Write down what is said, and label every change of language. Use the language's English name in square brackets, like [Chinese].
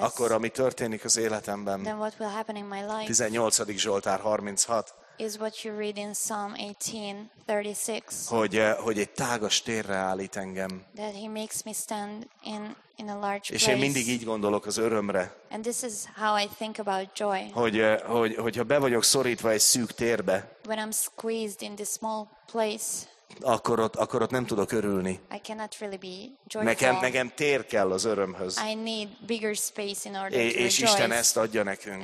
[Hungarian] akkor ami történik az életemben, [English] then what will happen in my life? [Hungarian] 18. Zsoltár 36. [English] Is what you read in Psalm 18:36. [Hungarian] Hogy egy tágas térre állít engem. [English] That he makes me stand in a large place. [Hungarian] És én mindig így gondolok az örömre. [English] And this is how I think about joy. [Hungarian] Hogyha be vagyok szorítva egy szűk térbe. [English] When I'm squeezed in this small place. [Hungarian] Akkor ott nem tudok örülni. [English] I cannot really be joyful. [Hungarian] Nekem tér kell az örömhöz. [English] I need bigger space in order to rejoice. [Hungarian] És Isten ezt adja nekünk.